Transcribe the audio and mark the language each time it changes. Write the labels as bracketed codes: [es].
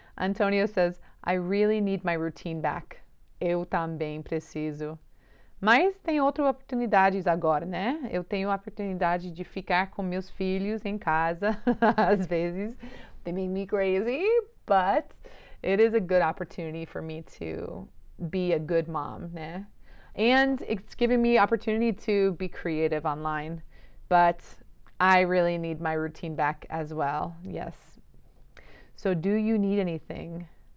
[en] Antonio says, I really need my routine back. [pt] Eu também preciso. Mas tem outras oportunidades agora, né? Eu tenho a oportunidade de ficar com meus filhos em casa, às vezes. [en] They make me crazy, but it is a good opportunity for me to be a good mom, né? And it's giving me opportunity to be creative online, but I really need my routine back as well. Yes. So, do you need anything?